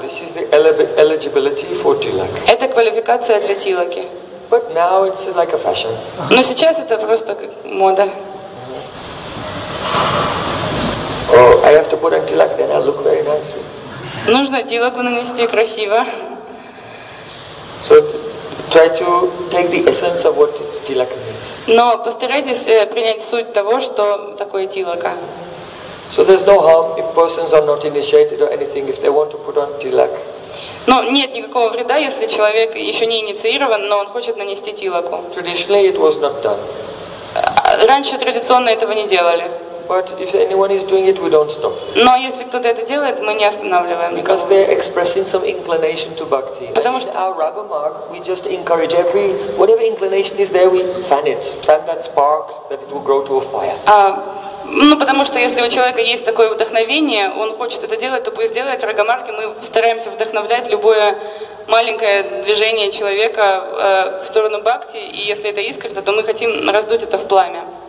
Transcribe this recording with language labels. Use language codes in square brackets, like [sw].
[en] This is the eligibility for Tilak. [ru] Это квалификация для Тилаки. [en] But now it's like a fashion. [ru] Но сейчас это просто как мода. [en] Oh, I have to put on Tilak, then I look very nice. [ru] Нужно Тилаку нанести красиво. [en] So, try to take the essence of what Tilak means. [ru] Но постарайтесь принять суть того, что такое Тилака. [en] So there's no harm if persons are not initiated or anything if they want to put on Tilak. [ru] Но нет никакого вреда, если человек еще не инициирован, но он хочет нанести Тилаку. [en] Traditionally it was not done. [ru] Раньше традиционно этого не делали. [en] But if anyone is doing it, we don't stop. [ru] Но если кто-то это делает, мы не останавливаем никого. [en] Because they're expressing some inclination to bhakti. [ru] Потому что [en] our raga mark, we just encourage every whatever inclination is there, we fan it, fan that spark that it will grow to a fire. [ru] Ну потому что если у человека есть такое вдохновение, он хочет это делать, то пусть делает. Рага марки, мы стараемся вдохновлять любое маленькое движение человека в сторону бхакти, и если это искренно, то мы хотим раздуть это в пламя.